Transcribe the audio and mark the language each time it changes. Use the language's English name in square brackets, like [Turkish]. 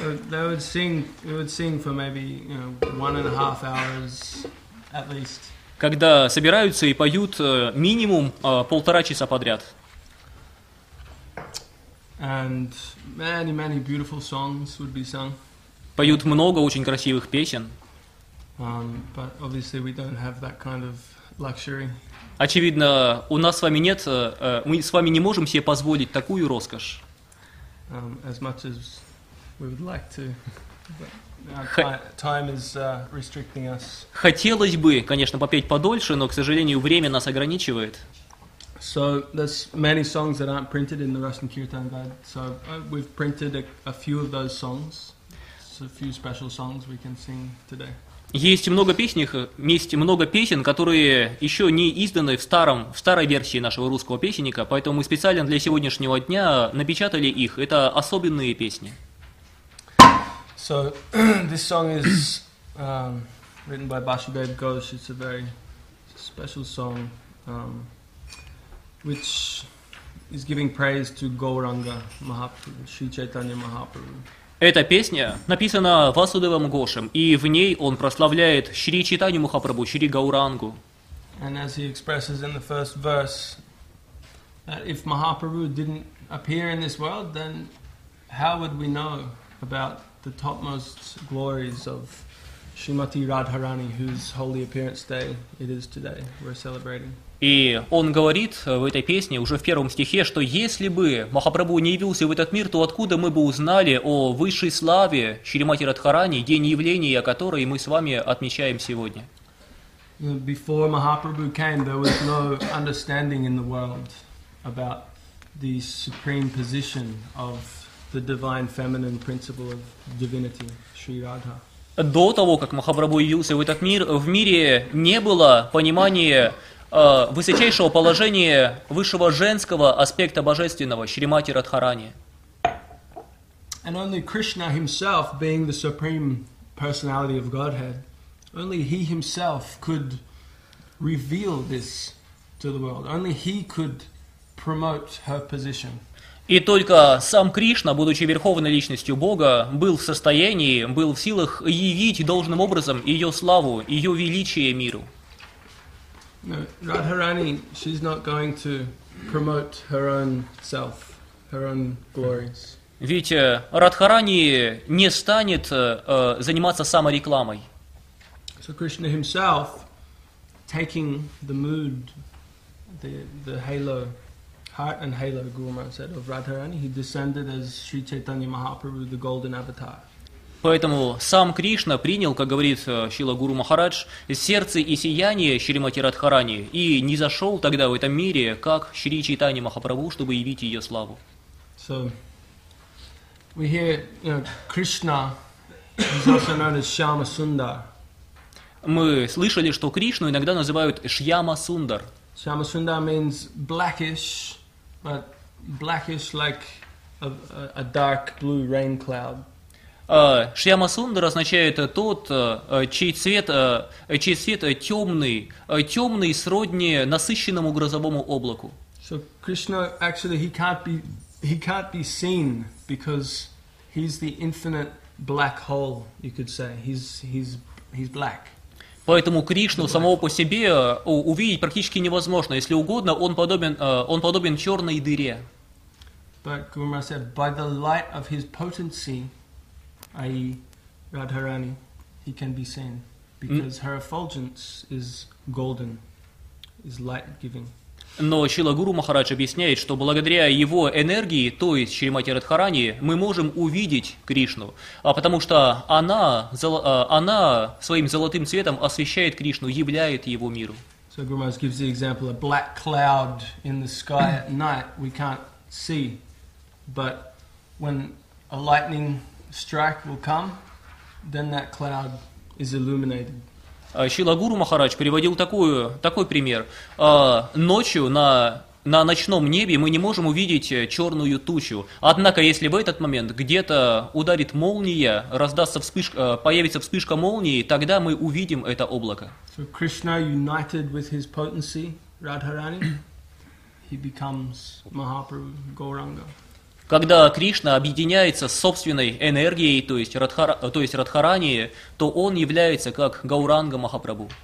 [English] They would sing for maybe, you know, 1.5 hours at least. [Russian] Когда собираются и поют минимум полтора часа подряд. [English] And many, many beautiful songs would be sung. [Russian] Поют много очень красивых песен. [English] But obviously we don't have that kind of luxury. [Russian] Очевидно, у нас с вами нет, мы с вами не можем себе позволить такую роскошь. [English] As much as we would like to, but time is restricting us. [Russian] Хотелось бы, конечно, попеть подольше, но, к сожалению, время нас ограничивает. [English] So there's many songs that aren't printed in the Russian Kirtan Guide. So we've printed a few of those songs. So a few special songs we can sing today. [Russian] Есть много песен, которые еще не изданы в старой версии нашего русского песенника, поэтому мы специально для сегодняшнего дня напечатали их. Это особенные песни. [English] So this song is written by Bashabeb Ghosh. It's a very special song, which is giving praise to Gauranga Mahaprabhu, Sri Chaitanya Mahaprabhu. [Russian] Эта песня написана Васудевом Гошем, и в ней он прославляет Шри Чайтанью Махапрабху, Шри Гаурангу. [English] And as he expresses in the first verse, that if Mahaprabhu didn't appear in this world, then how would we know about the topmost glories of Shrimati Radharani, whose holy appearance day it is today we're celebrating? [Russian] И он говорит в этой песне, уже в первом стихе, что если бы Махапрабху не явился в этот мир, то откуда мы бы узнали о высшей славе Шримати Радхарани, день явления которой мы с вами отмечаем сегодня? [English] Before Mahaprabhu came, there was no understanding in the world about the supreme position of the divine feminine principle of divinity, Sri Radha. [Russian] До того, как Махапрабху явился в этот мир, в мире не было понимания высочайшего положения высшего женского аспекта божественного Шримати Радхарани. [English] And only Krishna himself, being the supreme personality of Godhead, only he himself could reveal this to the world. Only he could promote her position. [Russian] И только сам Кришна, будучи верховной личностью Бога, был в состоянии, был в силах явить должным образом ее славу, ее величие миру. [English] No, Radharani, she's not going to promote her own self, her own glories. [Russian] Ведь Радхарани не станет заниматься саморекламой. [English] So Krishna himself, taking the mood, the halo, heart and halo, Guru Maharaj said, of Radharani, he descended as Sri Chaitanya Mahaprabhu, the golden avatar. [Russian] Поэтому сам Кришна принял, как говорит Шрила Гуру Махарадж, сердце и сияние Шримати Радхарани и не зашел тогда в этом мире, как Шри Чайтанья Махапрабху, чтобы явить ее славу. [English] So, we hear, you know, Krishna is also known as Shyama Sundar. [Russian] Мы слышали, что Кришну иногда называют Шьяма Сундар. [English] Shyama Sundar means blackish, but blackish like a dark blue rain cloud. [Russian] Шьяма Сундар означает тот, чей цвет темный, темный сродни насыщенному грозовому облаку. [English] So Krishna actually he can't be seen because he's the infinite black hole, you could say. He's black. [Russian] Поэтому Кришну самого по себе увидеть практически невозможно. Если угодно, он подобен черной дыре. [English] But Guru Maharaj said, by the light of his potency, i.e. Radharani, he can be seen, because her effulgence is golden, is light-giving. [Russian] Но Шрила Гуру Махарадж объясняет, что благодаря его энергии, то есть Шримати Радхарани, мы можем увидеть Кришну, потому что она своим золотым цветом освещает Кришну, являет его миру. [English] So Guru Maharaj gives the example, a black cloud in the sky at night, we can't see, but when a lightning strike will come, then that cloud is illuminated. [Russian] Шрила Гуру Махарадж приводил такой пример. Ночью на ночном небе мы не можем увидеть черную тучу. Однако, если в этот момент где-то ударит молния, появится вспышка молнии, тогда мы увидим это облако. [English] So Krishna united with his potency, Radharani, he becomes Mahaprabhu, Gauranga. [Russian] Когда Кришна объединяется с собственной энергией, то есть Радхарани, то он является как Гауранга Махапрабху.